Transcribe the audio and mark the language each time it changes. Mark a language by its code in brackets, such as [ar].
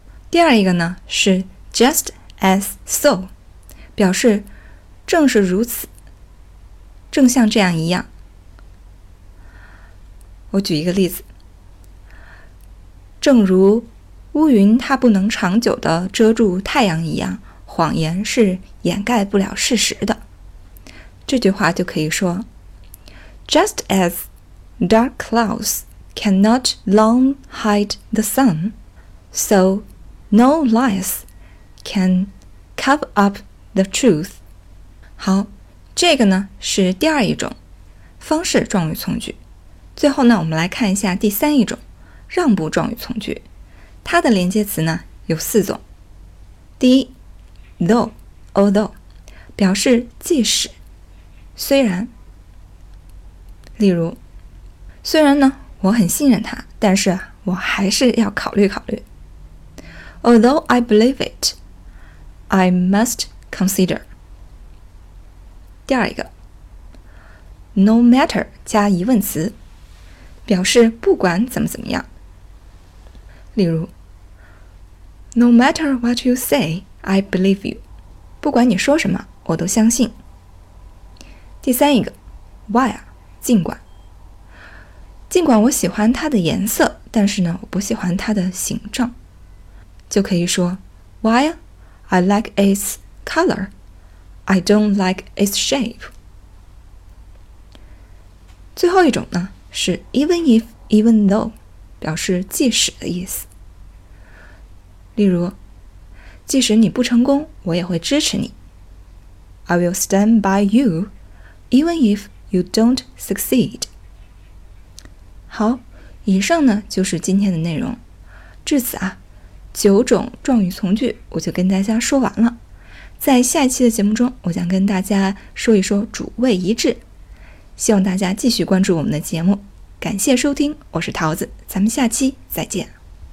[zh] 第二一个呢是 just as so， 表示正是如此，正像这样一样。我举一个例子，正如乌云它不能长久地遮住太阳一样，谎言是掩盖不了事实的。这句话就可以说 [en] Just as dark clouds cannot long hide the sun, so no lies can cover up the truth。 [zh] 好，这个呢是第二一种方式状语从句。最后呢我们来看一下第三一种让步状语从句，它的连接词呢有四种。第一 though， although， 表示即使虽然。例如，虽然呢，我很信任他，但是我还是要考虑考虑。 [en] Although I believe it, I must consider. [zh] 第二一个 ,no matter 加疑问词，表示不管怎么怎么样。例如 [en] ,no matter what you say, I believe you. [zh] 不管你说什么，我都相信。第三一个 ,why 啊，尽管。尽管我喜欢它的颜色，但是呢，我不喜欢它的形状。就可以说 [en] ,why I like its color, I don't like its shape. [zh] 最后一种呢是 even if, even though, 表示即使的意思。例如即使你不成功我也会支持你。 [en] I will stand by you, even if you don't succeed. [zh] 好，以上呢就是今天的内容。至此啊，九种状语从句我就跟大家说完了，在下一期的节目中我将跟大家说一说主谓一致，希望大家继续关注我们的节目，感谢收听，我是桃子，咱们下期再见。